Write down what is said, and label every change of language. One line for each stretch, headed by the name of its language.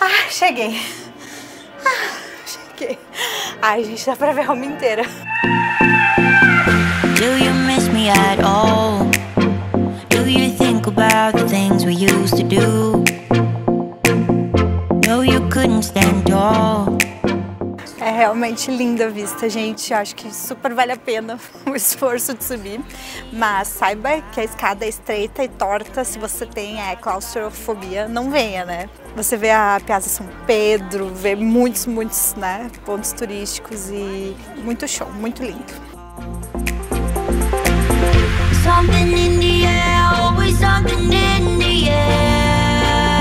Portuguese: Cheguei. Cheguei. Ai, gente, dá pra ver a Roma inteira.
English: Do you miss me at all? Do you think about the things we used to do? No, you couldn't stand tall.
Portuguese: É realmente linda a vista, gente. Acho que super vale a pena o esforço de subir. Mas saiba que a escada é estreita e torta. Se você tem claustrofobia, não venha, né? Você vê a Piazza São Pedro, vê muitos, muitos, né, pontos turísticos e muito show, muito lindo.
English: Something in the air, always something in the air.